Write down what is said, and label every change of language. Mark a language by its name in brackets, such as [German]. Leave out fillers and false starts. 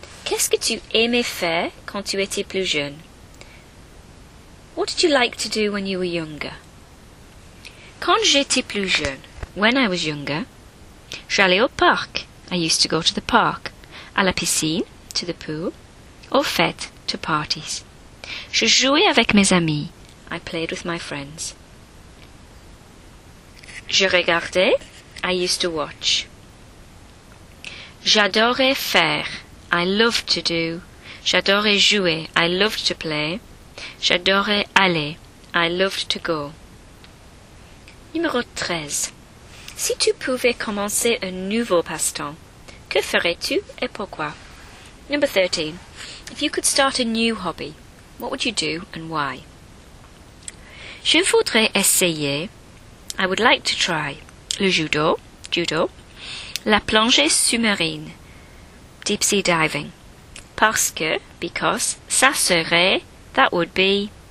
[French] Qu'est-ce que tu aimais faire quand tu étais plus jeune? [English] What did you like to do when you were younger? [French] Quand j'étais plus jeune, [English] when I was younger, [French] j'allais au parc. [English] I used to go to the park. [French] À la piscine, [English] to the pool. [French] Aux fêtes, [English] to parties. [French] Je jouais avec mes amis. [English] I played with my friends. [French] Je regardais. [English] I used to watch. [French] J'adorais faire. [English] I loved to do. [French] J'adorais jouer. [English] I loved to play. [French] J'adorais aller. [English] I loved to go. [French] Numéro 13. Si tu pouvais commencer un nouveau passe-temps, que ferais-tu et pourquoi? [English] Number 13. If you could start a new hobby, what would you do and why? [French] Je voudrais essayer. [English] I would like to try. Le judo. Judo. [French] La plongée sous-marine. [English] Deep sea diving. [French] Parce que, [English] because, [French] ça serait, [English] that would be.